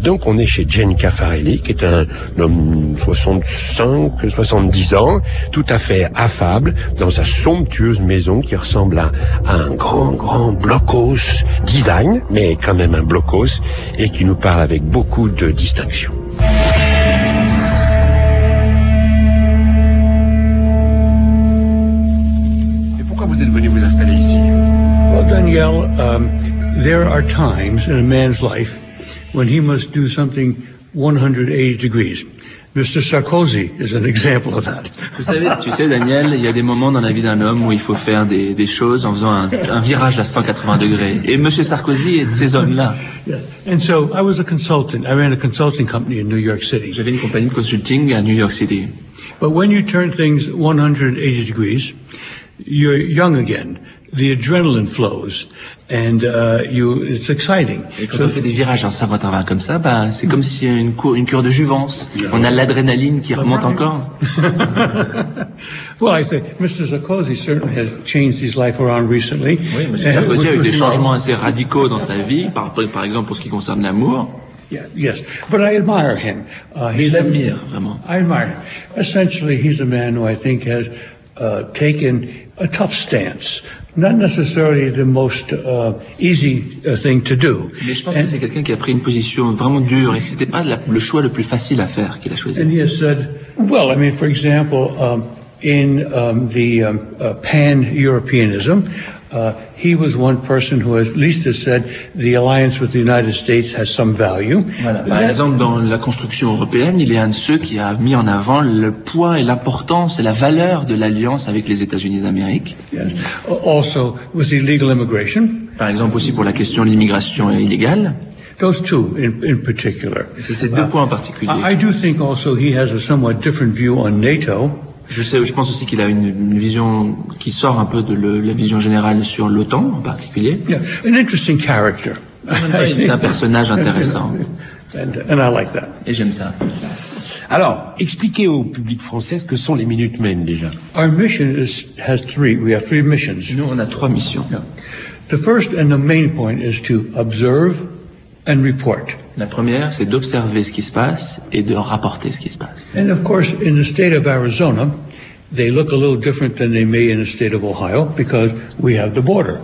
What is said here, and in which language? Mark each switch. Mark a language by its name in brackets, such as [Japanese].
[French] Donc on est chez Jane Caffarelli, qui est un homme 70 ans, tout à fait affable, dans sa somptueuse maison qui ressemble à un grand blockhaus design, mais quand même un blockhaus, et qui nous parle avec beaucoup de distinction. Et pourquoi vous êtes venu vous installer ici? [English] Daniel, there are times in a man's life when he must do something 180 degrees. Mr. Sarkozy is an example of that. [French] Vous savez, tu sais, Daniel, il y a des moments dans la vie d'un homme où il faut faire des choses en faisant un virage à 180 degrés. Et Monsieur Sarkozy est de ces hommes-là. [English] Yeah. And so I was a consultant. I ran a consulting company in New York City. [French] J'avais une compagnie de consulting à New York City. [English] But when you turn things 180 degrees, you're young again. The adrenaline flows, and it's exciting. [French] Et quand on fait des virages en 180 comme ça, c'est comme si une cure de jouvence. Yeah. On a l'adrénaline qui remonte encore. [English] Well, I say, Mr. Sarkozy certainly has changed his life around recently. [French] Oui, Mr. Sarkozy a eu des changements assez radicaux dans sa vie, par exemple pour ce qui concerne l'amour. [English] Yeah, yes, but I admire him. [French] Je l'admire vraiment. [English] I admire him. Essentially, he's a man who I think has taken a tough stance. Not necessarily the most easy thing to do. [French] Mais je pense que c'est quelqu'un qui a pris une position vraiment dure et que c'était pas le choix le plus facile à faire qu'il a choisi. [English] And he has said, well, I mean, for example, in the pan-Europeanism, he was one person who at least has said the alliance with the United States has some value. [French] Voilà. Par exemple, dans la construction européenne, il est un de ceux qui a mis en avant le poids et l'importance et la valeur de l'alliance avec les États-Unis d'Amérique. [English] Yes. Also, with illegal immigration. [French] Par exemple, aussi pour la question de l'immigration illégale. [English] Those two in particular. [French] C'est ces deux points en particulier. [English] I do think also he has a somewhat different view on NATO. [French] Je pense aussi qu'il a une vision qui sort un peu de la vision générale sur l'OTAN en particulier. [English] Yeah, an interesting character. [French] C'est un personnage intéressant. [English] And I like that. [French] Et j'aime ça. Alors, expliquez au public français ce que sont les Minutemen déjà. [English] Our mission has three. We have three missions. [French] Nous, on a trois missions. [English] Yeah. The first and the main point is to observe and report. [French] La première, c'est d'observer ce qui se passe et de rapporter ce qui se passe. [English] And of course, in the state of Arizona, they look a little different than they may in the state of Ohio because we have the border.